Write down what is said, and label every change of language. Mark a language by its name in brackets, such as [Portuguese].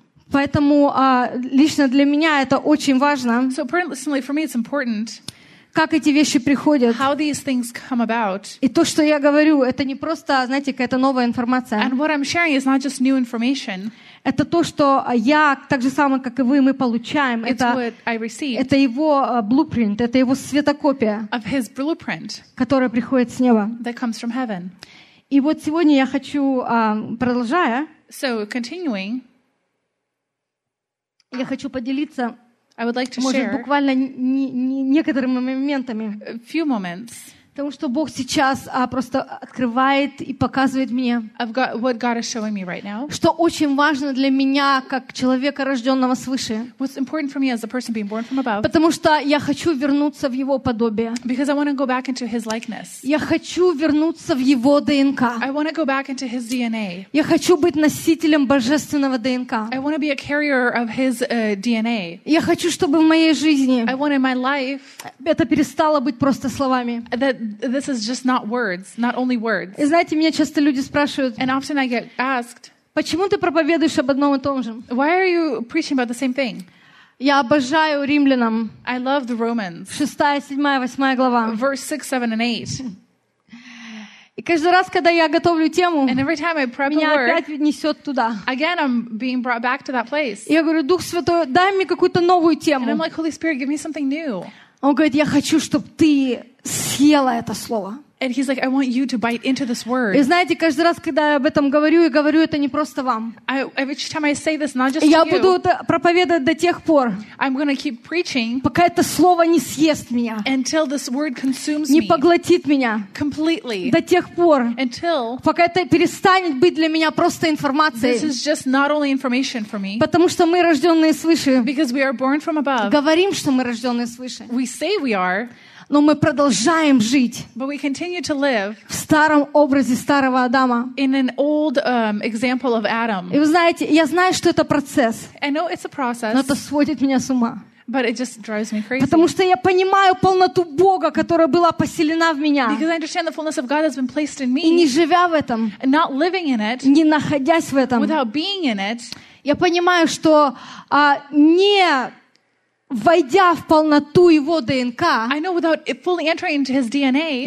[Russian] Поэтому лично для меня это очень важно. [English] So personally for me it's important. [Russian] Как эти вещи приходят? [English] How these things come about. [Russian] И то, что я говорю, это не просто, знаете, какая-то новая информация. [English] And what I'm sharing is not just new information. [Russian] Это то, что я, так же самое, как и вы, мы получаем. [English] It's what I received. [Russian] Это его blueprint, это его светокопия, [English] of his blueprint, [Russian] которая приходит с неба. [English] That comes from heaven. [Russian] И вот сегодня я хочу, продолжая, [English] so continuing, [Russian] я хочу поделиться [English] I would like to [Russian] может, [English] share [Russian] буквально некоторыми моментами. [English] A few moments. [Russian] Потому что Бог сейчас просто открывает и показывает мне, [English] what God is showing me right now. [Russian] Что очень важно для меня, как человека, рожденного свыше. [English] What's important for me as a person being born from above. [Russian] Потому что я хочу вернуться в Его подобие. [English] Because I want to go back into His likeness. [Russian] Я хочу вернуться в Его ДНК. [English] I want to go back into His DNA. [Russian] Я хочу быть носителем божественного ДНК. [English] I want to be a carrier of His DNA. [Russian] Я хочу, чтобы в моей жизни [English] I want in my life [Russian] это перестало быть просто словами. [English] This is just not words, not only words. [Russian] И знаете, меня часто люди спрашивают, [English] and often I get asked, [Russian] почему ты проповедуешь об одном и том же? [English] Why are you preaching about the same thing? [Russian] Я обожаю римлянам. [English] I love the Romans. [Russian] 6, 7, 8 глава. [English] Verse 6, 7 and 8. [Russian] И каждый раз, когда я готовлю тему, меня опять несет туда. [English] Again, I'm being brought back to that place. [Russian] Я говорю, Дух Святой, дай мне какую-то новую тему. [English] And I'm like, Holy Spirit, give me something new. [Russian] Он говорит, я хочу, чтобы ты съела это слово. [English] And he's like, I want you to bite into this word. [Russian] И знаете, каждый раз, когда я об этом говорю, я говорю это не просто вам. [English] Every time I say this, not just to you. [Russian] Я буду проповедовать до тех пор, [English] I'm gonna keep preaching, [Russian] пока это слово не съест меня. [English] Until this word consumes me. [Russian] Не поглотит меня. [English] Completely. [Russian] До тех пор, [English] until, [Russian] пока это перестанет быть для меня просто информацией. [English] This is just not only information for me. [Russian] Потому что мы рожденные свыше. [English] Because we are born from above. [Russian] Говорим, что мы рожденные свыше. [English] We say we are. [Russian] Но мы продолжаем жить. [English] But we continue to live [Russian] в старом образе старого Адама. [English] In an old, example of Adam. [Russian] И вы знаете, я знаю, что это процесс. [English] I know it's a process, [Russian] но это сводит меня с ума. [English] But it just drives me crazy. [Russian] Потому что я понимаю полноту Бога, которая была поселена в меня. [English] Because I understand the fullness of God has been placed in me. [Russian] И не живя в этом, [English] and not living in it, [Russian] не находясь в этом, [English] without being in it, [Russian] я понимаю, что не... Войдя в полноту его ДНК, [English] I know without fully entering into his DNA,